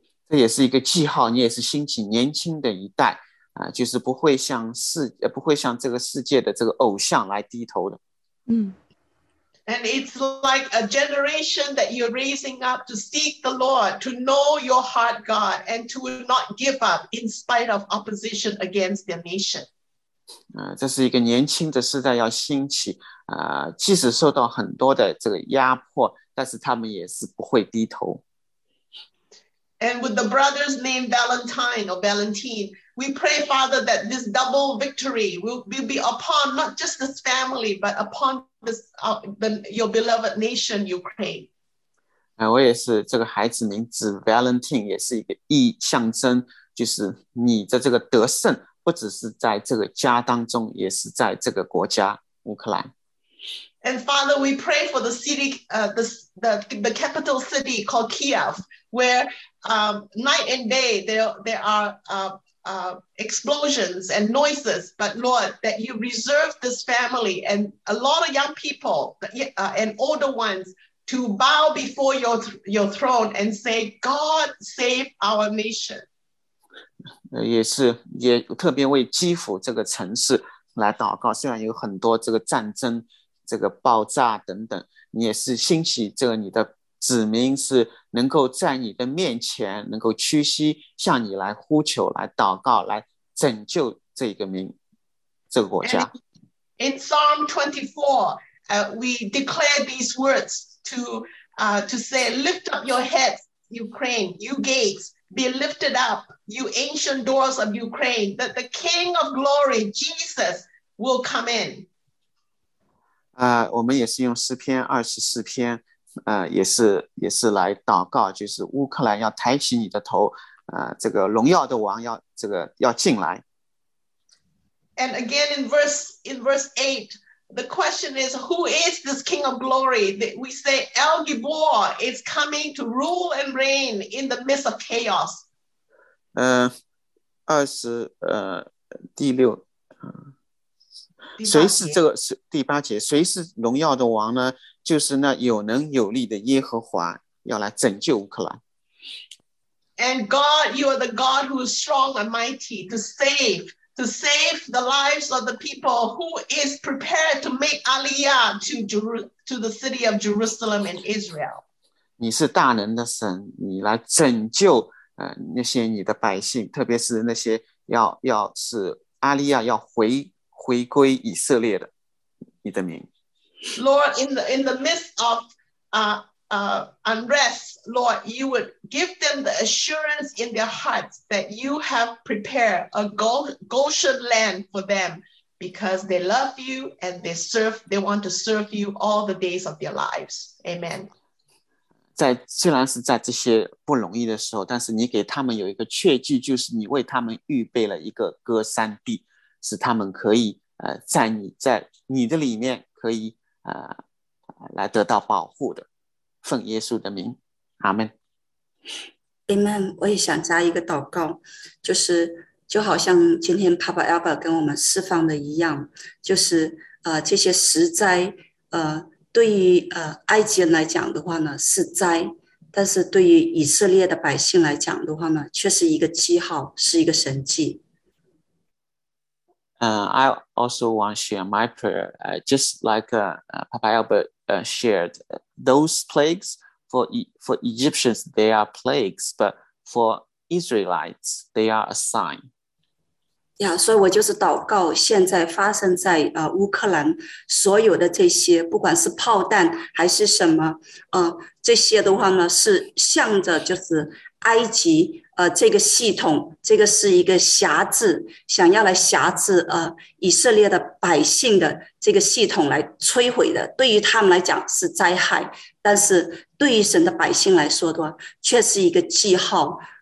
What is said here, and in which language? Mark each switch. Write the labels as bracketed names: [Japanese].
[Chinese] 这也是一个记号，你也是兴起年轻的一代，就是不会向这个世界的这个偶像来低头的。嗯。 [English] And it's like a generation that you're raising up to seek the Lord, to know your heart, God, and to not give up in spite of opposition against their nation. [Chinese] 这是一个年轻的世代要兴起。即使受到很多的这个压迫，但是他们也是不会低头。 [English] And with the brothers named Valentine or Valentine, we pray, Father, that this double victory will be upon not just this family, but upon this your beloved nation, Ukraine. [Chinese] 我也是这个孩子名字 Valentine， 也是一个意象征，就是你的这个得胜，不只是在这个家当中，也是在这个国家乌克兰。 [English] And Father, we pray for the city, the capital city called Kiev, where night and day there are explosions and noises. But Lord, that you reserve this family and a lot of young people and older ones to bow before your throne and say, God save our nation. [Chinese] 也是也特别为基辅这个城市。来祷告，虽然有很多这个战争、这个爆炸等等，你也是兴起这个你的子民是能够在你的面前能够屈膝向你来呼求、来祷告、来拯救这个民、这个国家。 [English] In Psalm 24, we declare these words to say, lift up your heads, Ukraine, you gates, be lifted up, you ancient doors of Ukraine, that the King of glory, Jesus, will come in. [Chinese] 我们也是用诗篇24篇也是来祷告，就是乌克兰要抬起你的头，这个荣耀的王要这个要进来。 [English] And again in verse 8, the question is, who is this King of Glory? We say El Gibor is coming to rule and reign in the midst of chaos. [Chinese] 第八节，谁是荣耀的王呢？就是那有能有力的耶和华，要来拯救乌克兰。 [English] And God, you are the God who is strong and mighty to save the lives of the people, who is prepared to make Aliyah to the city of Jerusalem in Israel. [Chinese] 你是大能的神，你来拯救那些你的百姓，特别是那些要是Aliyah要回归以色列的你的名。 [English] Lord, in the midst of unrest, Lord, you would give them the assurance in their hearts that you have prepared a Goshen land for them because they love you and they want to serve you all the days of their lives. Amen. [Chinese] 虽然是在这些不容易的时候，但是你给他们有一个确据，就是你为他们预备了一个歌山地，使他们可以在你的里面可以来得到保护的。奉耶稣的名，阿们。阿们。我也想加一个祷告，就是就好像今天 Papa Albert 跟我们释放的一样，就是这些实灾对于埃及人来讲的话呢是灾，但是对于以色列的百姓来讲的话呢却是一个记号，是一个神迹。 [English] I also want to share my prayer, just like Papa Albert shared. Those plagues for Egyptians, they are plagues, but for Israelites, they are a sign. Yeah, so [Chinese] 我就是祷告，现在发生在乌克兰所有的这些，不管是炮弹还是什么，这些的话呢，是向着就是埃及。这个系统，这个是一个辖制，想要来辖制以色列的百姓的这个系统来摧毁的，对于他们来讲是灾害，但是对于神的百姓来说的话，却是一个记号。